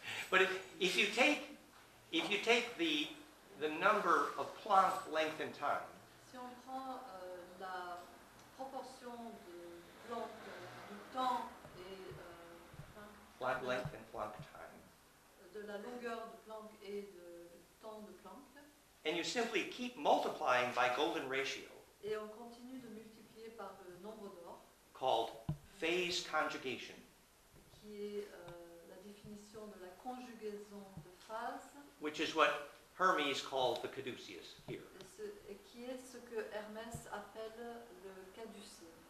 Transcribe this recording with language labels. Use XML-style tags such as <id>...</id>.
<en>But if you take the number of Planck length and time.</en> <fr>Si on prend la proportion de Planck, du temps et</fr> <en>Planck length and Planck time.</en> <fr>De la longueur de Planck et du temps de Planck.</fr> <en>And you simply keep multiplying by golden ratio.</en> <fr>Et on continue de multiplier par le nombre d'or.</fr> <en>Called phase conjugation.</en> <fr>Qui est la définition de la conjugaison de phase.</fr> <en>Which is what Hermes called the caduceus here.</en> <fr>Qui est ce que Hermès appelle le caduceus.</fr>